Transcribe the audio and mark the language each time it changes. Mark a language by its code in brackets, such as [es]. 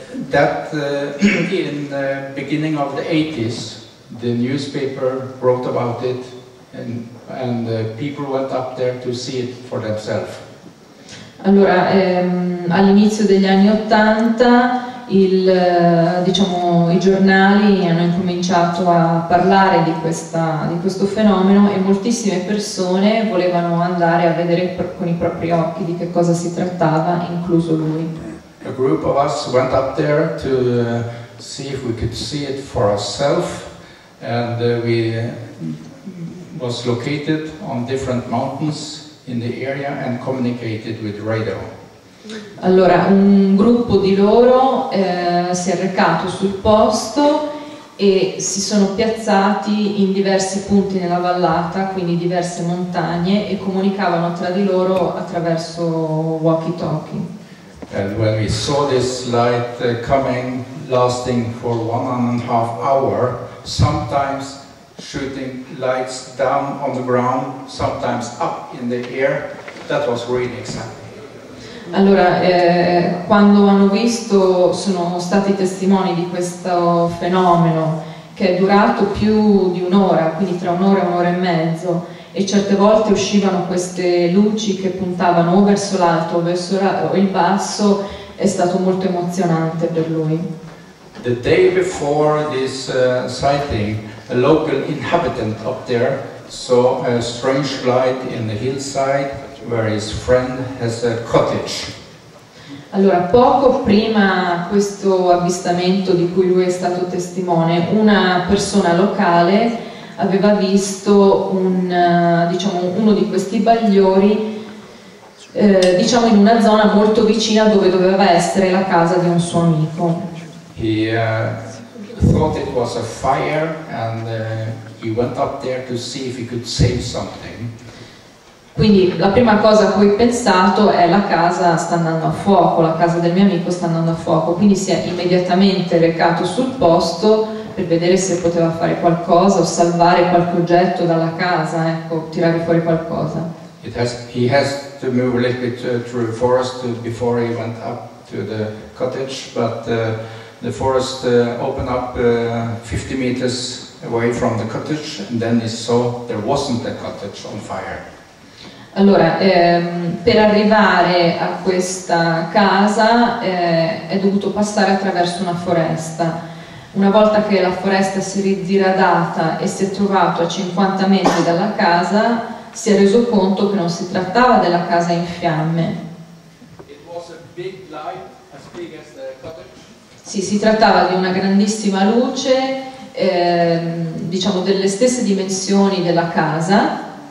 [en] That in the beginning of the 80s, the newspaper wrote about it and people went up there to see it for themselves. [it] Allora, all'inizio degli anni 80 i giornali hanno incominciato a parlare di questo fenomeno e moltissime persone volevano andare a vedere con i propri occhi di che cosa si trattava, incluso lui. [en] A group of us went up there to see if we could see it for ourselves. And we was located on different mountains in the area and communicated with radio. [it] Allora, un gruppo di loro si è recato sul posto e si sono piazzati in diversi punti nella vallata, quindi diverse montagne, e comunicavano tra di loro attraverso walkie-talkie. [en] And when we saw this light coming, lasting for 1.5 hours, sometimes shooting lights down on the ground, sometimes up in the air, that was really exciting. [it] Allora, quando hanno visto, sono stati testimoni di questo fenomeno che è durato più di un'ora, quindi tra un'ora e un'ora e mezzo, e certe volte uscivano queste luci che puntavano o verso l'alto o verso il basso, è stato molto emozionante per lui. [en] The day before this sighting, a local inhabitant up there saw a strange light in the hillside where his friend has a cottage. [it] Allora, poco prima questo avvistamento di cui lui è stato testimone, una persona locale aveva visto uno di questi bagliori in una zona molto vicina dove doveva essere la casa di un suo amico. [en] He thought it was a fire and he went up there to see if he could save something. [it] Quindi la prima cosa a cui ho pensato è la casa sta andando a fuoco, la casa del mio amico sta andando a fuoco, quindi si è immediatamente recato sul posto per vedere se poteva fare qualcosa o salvare qualche oggetto dalla casa, ecco, tirare fuori qualcosa. [en] He has to move a little bit through the forest before he went up to the cottage, but the forest opened up 50 meters away from the cottage, and then he saw there wasn't a cottage on fire. [it] Allora, per arrivare a questa casa è dovuto passare attraverso una foresta. Una volta che la foresta si è diradata e si è trovato a 50 metri dalla casa, si è reso conto che non si trattava della casa in fiamme. [en] It was a big light, as big as the cottage. [it] Sì, si trattava di una grandissima luce, delle stesse dimensioni della casa.